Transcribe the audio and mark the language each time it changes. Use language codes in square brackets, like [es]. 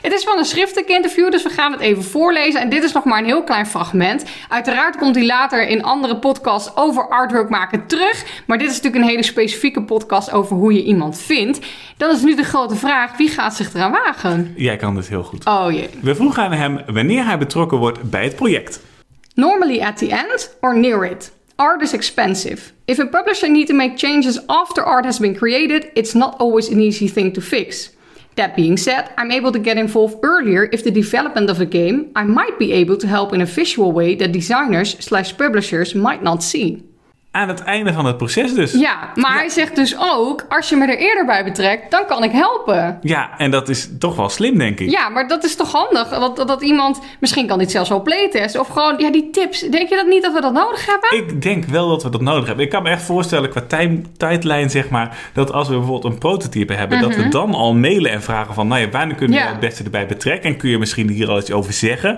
[nl] Het is van een schriftelijk interview, dus we gaan het even voorlezen, en dit is nog maar een heel klein fragment. Uiteraard komt hij later in andere podcasts over artwork maken terug, maar dit is natuurlijk een hele specifieke podcast over hoe je iemand vindt. Dan is nu de grote vraag, wie gaat zich eraan wagen? Jij kan dit heel goed. Oh jee. We vroegen aan hem wanneer hij betrokken wordt bij het project. [en] Normally at the end or near it. Art is expensive. If a publisher needs to make changes after art has been created, it's not always an easy thing to fix. That being said, I'm able to get involved earlier if the development of a game, I might be able to help in a visual way that designers/publishers might not see. [nl] Aan het einde van het proces dus. Ja, maar hij zegt dus ook, als je me er eerder bij betrekt, dan kan ik helpen. Ja, en dat is toch wel slim, denk ik. Ja, maar dat is toch handig, dat iemand, misschien kan dit zelfs wel playtesten, of gewoon, ja, die tips, denk je dat niet dat we dat nodig hebben? Ik denk wel dat we dat nodig hebben. Ik kan me echt voorstellen, qua tijdlijn, zeg maar, dat als we bijvoorbeeld een prototype hebben, dat we dan al mailen en vragen van, nou ja, wanneer kunnen we het beste erbij betrekken, en kun je misschien hier al iets over zeggen?